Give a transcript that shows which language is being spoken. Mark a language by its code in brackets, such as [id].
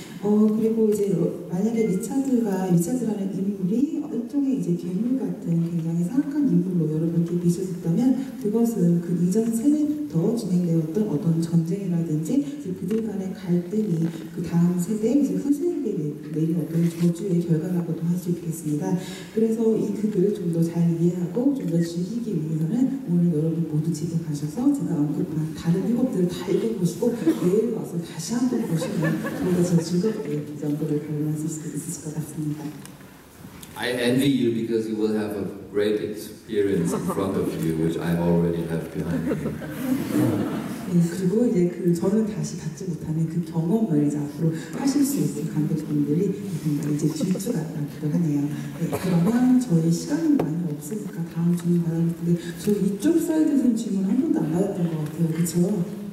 [ko] 그리고 이제 만약에 리처드라는 인물이 일종의 이제 괴물 같은 굉장히 사악한 인물로 여러분께 비춰졌다면 그것은 그 이전 세대부터 진행되었던 어떤 전쟁이라든지 그들 간의 갈등이 그 다음 세대 이제 후세에게 내린 어떤 저주의 결과라고도 할 수 있겠습니다. 그래서 이 극을 좀 더 잘 이해하고 좀 더 즐기기 위해서는 오늘 여러분 모두 집에 가셔서 제가 언급한 다른 희곡들을 다 읽어보시고 내일 와서 다시 한번 보시면 좀 더 즐겁게 그 정도를 경험하실 수 있으실 것 같습니다. [en] I envy you because you will have a great experience in front of you, which I already have behind me. [ko] 그리고 이제 그 저는 다시 갖지 못하는 그 경험을 이제 앞으로 하실 수 있을 관객분들이 이제 질투가 나기도 하네요. 그러면 저희 시간이 많이 없으니까 다음 질문 받아볼게요. 저 이쪽 사이드에서는 질문 한 번도 안 받았던 것 같아요. 그쵸?